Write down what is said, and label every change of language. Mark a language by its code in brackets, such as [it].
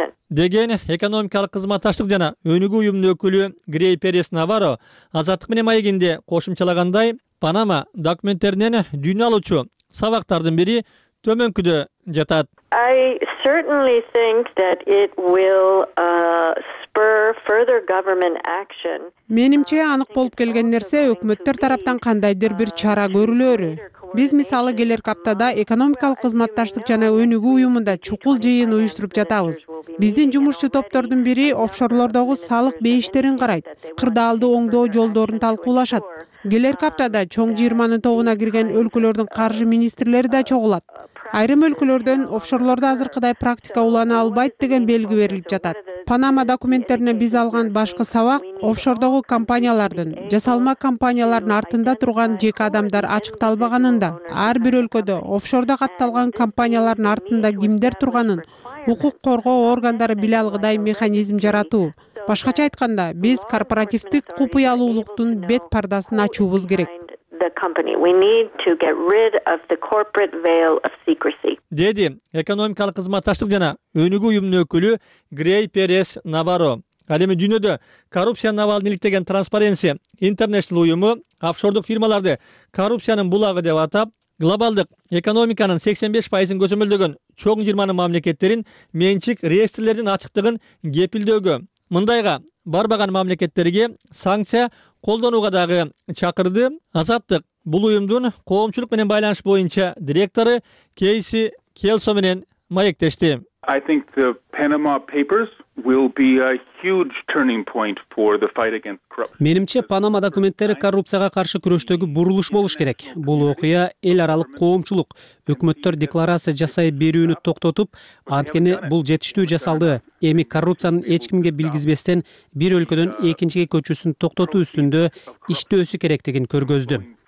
[ky] Деген экономикалык кызматташтык жана өнүгүү уюмунун өкүлү Грей Перес Наваро Азаттык менен маегинде кошумчалагандай, Панама документтеринен дүйнө алуучу сабактардын бири төмөнкүдө жатат. [en] I certainly think that it will spur further government action. [ky] Менимче анык болуп келген нерсе өкмөттөр тараптан кандайдыр бир чара көрүлөрү. Биз мисалы келерки аптада экономикалык кызматташтык жана өнүгүү уюмунда чукул жыйын уюштуруп жатабыз. Биздин жумушчу топтордун бири офшорлордогу салык бейиштерин карайт, кырдаалды оңдоо жолдорун талкуулашат. Келерки аптада чоң 20 тобуна кирген өлкөлөрдүн каржы министрлери да чогулат. Айрым өлкөлөрдөн офшорлордо азыркыдай практика улана албайт деген белги берилип жатат. Панама документтерине биз алган башкы сабак офшордогу компаниялардын, жасалма компаниялардын артында турган жеке адамдар ачыкталбаганында, ар бир өлкөдө офшордо катталган компаниялардын артында кимдер турганын укук коргоо органдары биле алгыдай механизм жаратуу. Башкача айтканда, биз корпоративдик купуялуулуктун бет пардасын ачуубуз керек. [en] The company. We need to get rid of the corporate veil of secrecy. [ky] Деди экономикалык кызматташтык жана өнүгүү уюмунун өкүлү Грей Перес Наваро. Ал эми дүйнөдө коррупциянын абалын иликтеген Transparency International уюму офшордук фирмаларды коррупциянын булагы деп атап, глобалдык экономиканын 85% көзөмөлдөгөн чоң 20 мамлекеттерин менчик реестрлеринин ачыктыгын кепилдөөгө, мындайга барбаган мамлекеттерге санкция колдонууга дагы чакырды. Азаттык бул уюмдун коомчулук менен байланыш боюнча директору Кейси Келсо менен маектешти. [en] I think the Panama Papers will be a huge turning point for the fight against corruption. [ky] Менимче Панама документтери коррупцияга каршы күрөштөгү бурулуш болуш керек. Бул окуя эл аралык коомчулук, өкмөттөр декларация жасай берүүнү токтотуп, анткени бул жетиштүү жасалды. Эми коррупциянын эч кимге билгизбестен бир өлкөдөн экинчиге көчүүсүн токтотуу үстүндө иштөөсү керектигин көргөздү.